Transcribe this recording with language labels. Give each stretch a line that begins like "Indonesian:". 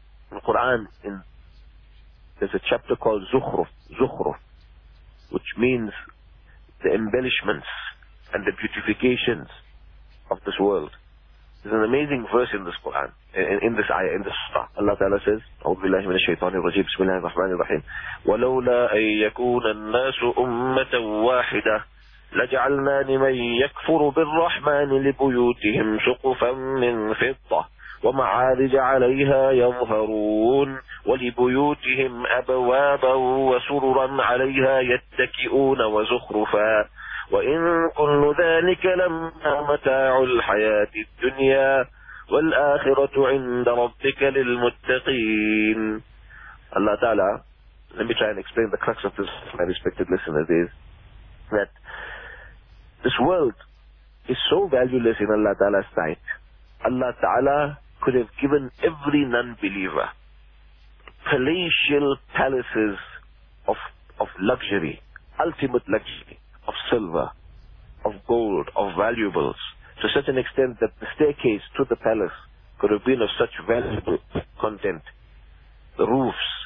English: In the Quran, there's a chapter called Zukhruf, which means the embellishments and the beautifications of this world. There's an amazing verse in this Quran, in this ayah, in this surah. Allah Ta'ala says,
Arabic: أعوذ بالله من الشيطان الرجيم بسم الله الرحمن الرحيم ولولا أن يكون الناس أمة واحدة لجعلنا لمن يكفر بالرحمن لبيوتهم سقفا من فضة ومعارج عليها يظهرون ولبيوتهم أبوابا وسررا عليها يتكئون وزخرفا وإن كل ذلك لما متاع الحياة الدنيا والآخرة عند ربك للمتقين.
English: Allah Ta'ala, let me try and explain the crux of this, my respected listeners, is that this world is so valueless in Allah Ta'ala's sight. Allah Ta'ala could have given every non-believer palatial palaces of luxury, ultimate luxury, of silver, of gold, of valuables, to such an extent that the staircase to the palace could have been of such valuable content. The roofs,